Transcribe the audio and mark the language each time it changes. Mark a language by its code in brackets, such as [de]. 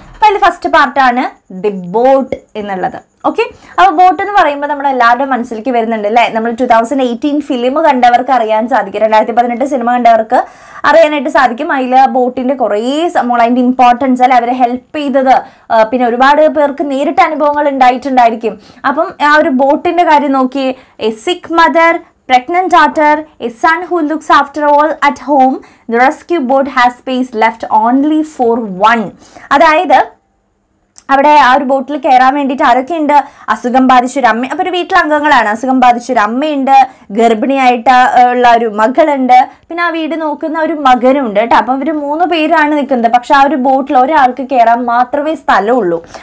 [ml] അപ്പം അതിൽ ഫസ്റ്റ് പാർട്ടാണ് ദി ബോട്ട് എന്നുള്ളത്. ഓക്കെ, അപ്പോൾ ബോട്ട് എന്ന് പറയുമ്പോൾ നമ്മുടെ എല്ലാവരുടെയും മനസ്സിലേക്ക് വരുന്നുണ്ട് അല്ലേ, നമ്മൾ 2018 ഫിലിം കണ്ടവർക്ക് അറിയാൻ സാധിക്കും, 2018 സിനിമ കണ്ടവർക്ക് അറിയാനായിട്ട് സാധിക്കും. അതിൽ ബോട്ടിൻ്റെ കുറേ സംഭവങ്ങളതിൻ്റെ ഇമ്പോർട്ടൻസ് അല്ലെ, അവരെ ഹെൽപ്പ് ചെയ്തത്, പിന്നെ ഒരുപാട് പേർക്ക് നേരിട്ട് അനുഭവങ്ങൾ ഉണ്ടായിട്ടുണ്ടായിരിക്കും. അപ്പം ആ ഒരു ബോട്ടിൻ്റെ കാര്യം നോക്കി, [en] A sick mother, pregnant daughter, a son who looks after all at home, the rescue boat has space left only for one. [ml] അതായത് അവിടെ ആ ഒരു ബോട്ടിൽ കയറാൻ വേണ്ടിയിട്ട് ആരൊക്കെയുണ്ട്? അസുഖം ബാധിച്ചൊരു അമ്മ, അപ്പോൾ ഒരു വീട്ടിലെ അംഗങ്ങളാണ്, അസുഖം ബാധിച്ചൊരു അമ്മയുണ്ട്, ഗർഭിണിയായിട്ട് ഉള്ള ഒരു മകളുണ്ട്, പിന്നെ ആ വീട് നോക്കുന്ന ഒരു മകനും ഉണ്ട് കേട്ടോ. അപ്പം ഇവർ മൂന്ന് പേരാണ് നിൽക്കുന്നത്, പക്ഷെ ആ ഒരു ബോട്ടിൽ ഒരാൾക്ക് കയറാൻ മാത്രമേ സ്ഥലമുള്ളൂ.